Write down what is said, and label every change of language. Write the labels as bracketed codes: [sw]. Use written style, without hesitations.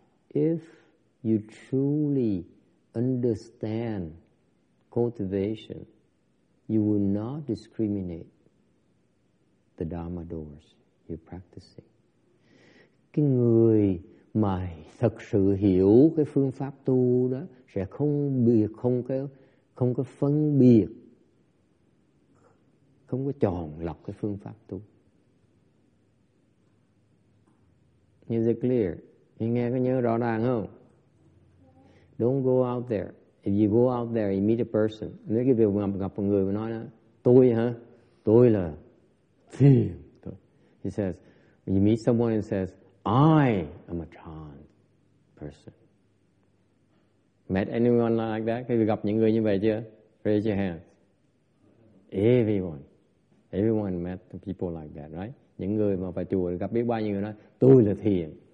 [en] If you truly understand cultivation, you will not discriminate the Dharma doors you're practicing. [vi] Cái người mà thật sự hiểu cái phương pháp tu đó sẽ không có phân biệt, không có chọn lọc cái phương pháp tu. [en] Is it clear? [vi] Anh nghe có nhớ rõ ràng không? [en] Don't go out there. If you go out there, you meet a person. [vi] Nếu cái việc gặp một người mà nói là tôi hả? Tôi là thiền. [en] He says, when you meet someone and says, I am a chan person. Met anyone like that? [vi] Cái việc gặp những người như vậy chưa? [en] Raise your hands. Everyone. Everyone met people like that, right? [vi] Những người mà phải chùa gặp biết bao nhiêu người nói tôi là thiền.